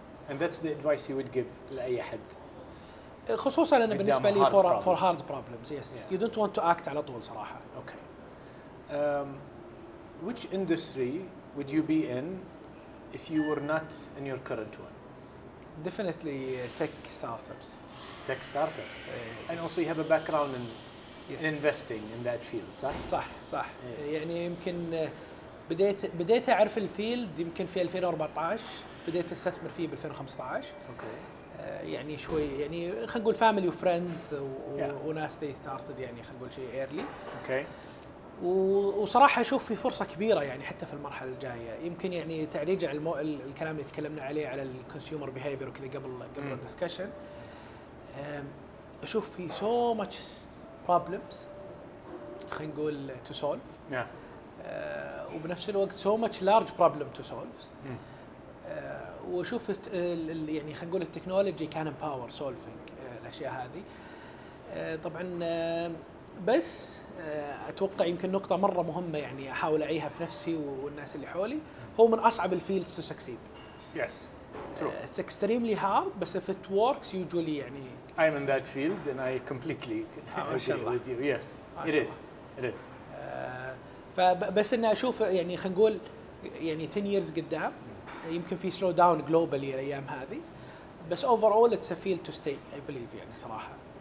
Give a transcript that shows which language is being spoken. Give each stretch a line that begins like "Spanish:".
English: And that's the advice you would give
Arabic: لأي أحد. خصوصاً أنا بالنسبة لي
English: for hard problems. Yes. Yeah. You don't want to act
Arabic: على طول صراحة.
English: Okay. Which industry would you be in if you were not in your current one? Definitely tech startups. Tech startups. And also you have a background in, yes, in investing in that field,
Arabic: صح؟ صح صح. يعني يمكن بديت أعرف الفيلد يمكن في 2014, بديت أستثمر فيه ب 2015.
English: Okay.
Arabic: يعني شوي يعني خلينا نقول
English: family and friends
Arabic: وناس
English: they started
Arabic: يعني خلينا نقول شيء
English: early. Okay.
Arabic: وصراحة أشوف في فرصة كبيرة يعني حتى في المرحلة الجاية, يمكن يعني تعليج على الكلام اللي تكلمنا عليه على
English: الكونسيومر بيهيفير
Arabic: وكذا قبل الدسكشن. أشوف في
English: so much problems
Arabic: خلينا نقول
English: to solve. Yeah.
Arabic: وبنفس الوقت
English: so much large problem to solve.
Arabic: وشوف يعني خلينا نقول
English: التكنولوجي كان power solving
Arabic: الاشياء هذه طبعا. بس اتوقع يمكن نقطه مره مهمه يعني احاول اعيها في نفسي والناس اللي حولي, هو من اصعب الفيلدز
English: To succeed. Yes it's extremely hard, بس if it works usually يعني I'm in that field and I completely agree with you.
Arabic: فبس اني اشوف يعني خلينا نقول يعني
English: 10 years
Arabic: قدام يمكن في
English: slow down globally
Arabic: الايام هذه, بس
English: overall it's a field to stay I believe
Arabic: يعني صراحه.